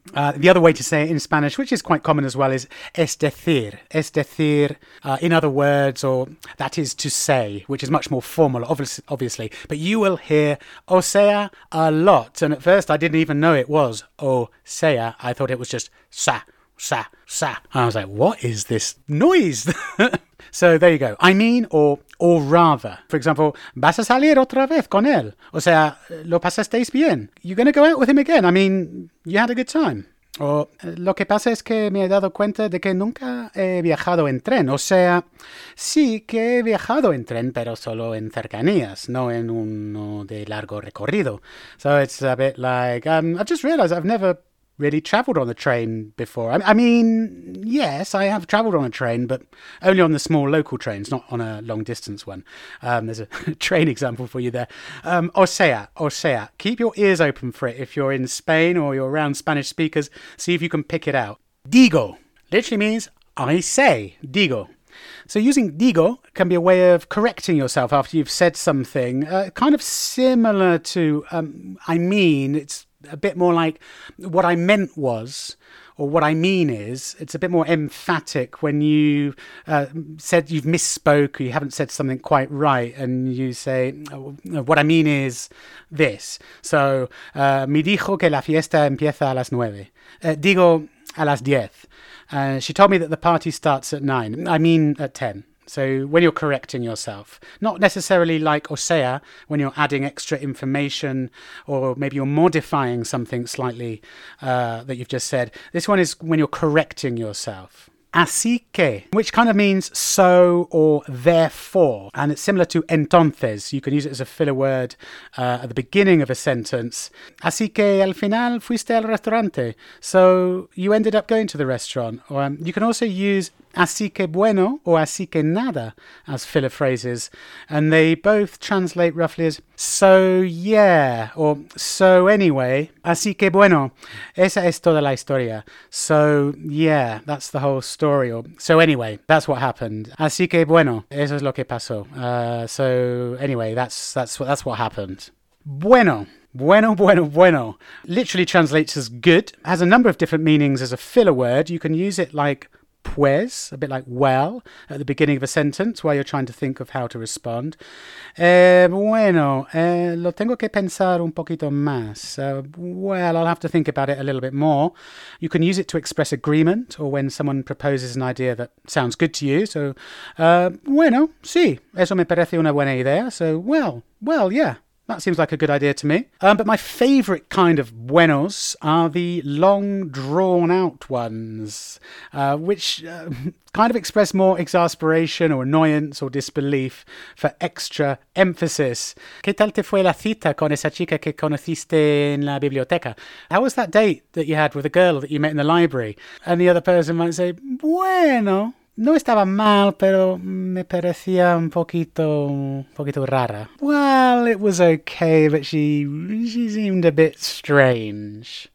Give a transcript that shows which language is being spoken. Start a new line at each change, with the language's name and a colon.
English: The other way to say it in Spanish, which is quite common as well, is es decir, in other words, or that is to say, which is much more formal, obviously. But you will hear o sea a lot. And at first, I didn't even know it was o sea. I thought it was just sa, sa, sa. And I was like, what is this noise? So there you go. I mean, or rather. For example,
Spanish: ¿vas a salir otra vez con él? O sea, ¿lo pasasteis bien?
English: You're going to go out with him again? I mean, you had a good time.
Spanish: O lo que pasa es que me he dado cuenta de que nunca he viajado en tren. O sea, sí que he viajado en tren, pero solo en cercanías, no en uno de largo recorrido.
English: So it's a bit like, I've just realized I've never really traveled on the train before. I mean, yes, I have traveled on a train, but only on the small local trains, not on a long distance one. There's a train example for you there. O sea, keep your ears open for it if you're in Spain or you're around Spanish speakers. See if you can pick it out. Digo literally means I say. Digo. So using digo can be a way of correcting yourself after you've said something, kind of similar to I mean. It's a bit more like what I meant was, or what I mean is. It's a bit more emphatic when you said you've misspoke, or you haven't said something quite right, and you say, what I mean is this.
Spanish: So, me dijo que la fiesta empieza a las 9. Digo, a las 10.
English: She told me that the party starts at 9. I mean, at 10. So when you're correcting yourself, not necessarily like osea, when you're adding extra information or maybe you're modifying something slightly that you've just said. This one is when you're correcting yourself. Así que, which kind of means so or therefore, and it's similar to entonces. You can use it as a filler word at the beginning of a sentence.
Spanish: Así que al final fuiste al restaurante.
English: So you ended up going to the restaurant. Or, you can also use así que bueno or así que nada as filler phrases. And they both translate roughly as so yeah or so anyway.
Spanish: Así que bueno, esa es toda la historia.
English: So yeah, that's the whole story. Or so anyway, that's what happened.
Spanish: Así que bueno, eso es lo que pasó.
English: So anyway, that's what happened. Bueno. Bueno, bueno, bueno. Literally translates as good. Has a number of different meanings as a filler word. You can use it like pues, a bit like well, at the beginning of a sentence while you're trying to think of how to respond.
Spanish: Lo tengo que pensar un poquito más.
English: I'll have to think about it a little bit more. You can use it to express agreement or when someone proposes an idea that sounds good to you.
Spanish: So, bueno, sí, eso me parece una buena idea.
English: So, well, yeah. That seems like a good idea to me. But my favourite kind of buenos are the long, drawn-out ones, which kind of express more exasperation or annoyance or disbelief for extra emphasis.
Spanish: ¿Qué tal te fue la cita con esa chica que conociste en la biblioteca?
English: How was that date that you had with a girl that you met in the library? And the other person might say,
Spanish: bueno, no estaba mal, pero me parecía un poquito rara.
English: Well, it was okay, but she seemed a bit strange.